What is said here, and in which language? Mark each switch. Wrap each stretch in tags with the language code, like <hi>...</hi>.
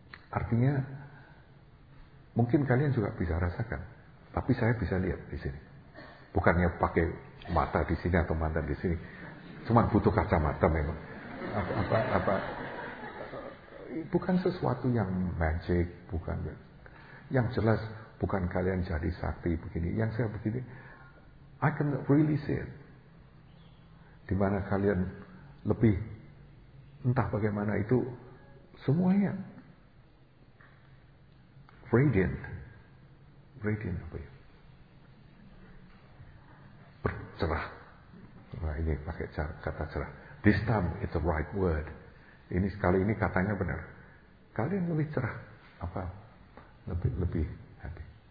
<id>Artinya mungkin kalian juga bisa rasakan, tapi saya bisa lihat di sini. Bukannya pakai mata di sini atau mata di sini, cuma butuh kacamata memang. Apa? Bukan sesuatu yang magic, bukan. Yang jelas bukan kalian jadi sakti begini. Yang saya begini,</id> <en>I can really see it.</en> <id>Di mana kalian lebih entah bagaimana itu semuanya radiant apa ya, bercerah. Nah, ini pakai kata cerah,</id> <en>this time it's the right word,</en> <id>ini kali ini katanya benar, kalian lebih cerah, apa lebih happy.</id>